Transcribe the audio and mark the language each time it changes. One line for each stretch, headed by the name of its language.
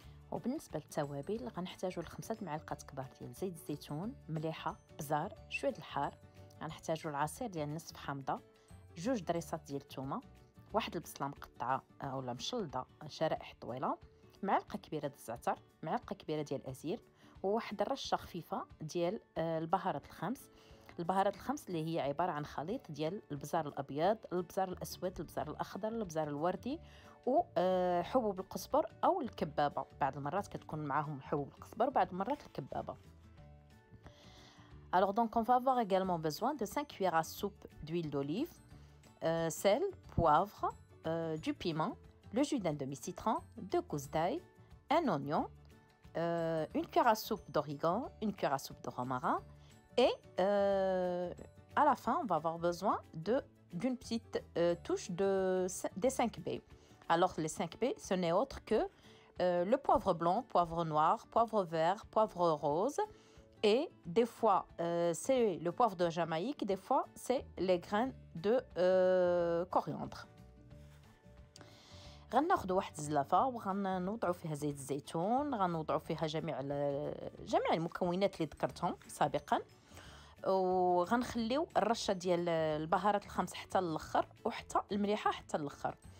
Arabic: وبالنسبه للتوابل غنحتاجو لخمسة معالق كبار ديال زيت الزيتون، مليحه، بزار، شويه الحار، غنحتاجو العصير ديال نصف حامضه، جوج دريسات ديال الثومه، واحد البصله مقطعه اولا مشلده شرائح طويله، معلقه كبيره ديال الزعتر، معلقه كبيره ديال الازير، وواحد الرشه خفيفه ديال البهارات الخمس. البهارات الخمس اللي هي عباره عن خليط ديال البزار الابيض، البزار الاسود، البزار الاخضر، البزار الوردي، وحبوب القزبر او الكبابه. بعض المرات كتكون معاهم حبوب القزبر وبعض المرات الكبابه.
French: Alors donc on va avoir également besoin de 5 cuillères à soupe d'huile d'olive, sel, poivre, du piment, le jus d'un demi citron, deux gousses d'ail, un oignon, une cuillère à soupe d'origan, une cuillère à soupe de romarin. Et à la fin, on va avoir besoin d'une petite touche des 5B. Alors les 5B, ce n'est autre que le poivre blanc, poivre noir, poivre vert, poivre rose. Et des fois, c'est le poivre de Jamaïque, des fois, c'est les graines de coriandre.
Arabic: غناخذ واحد الزلافه وغنوضعوا فيها زيت الزيتون، غنوضعوا فيها جميع المكونات اللي ذكرتهم سابقا، وغنخليو الرشه ديال البهارات الخمس حتى الاخر وحتى المليحه حتى الاخر.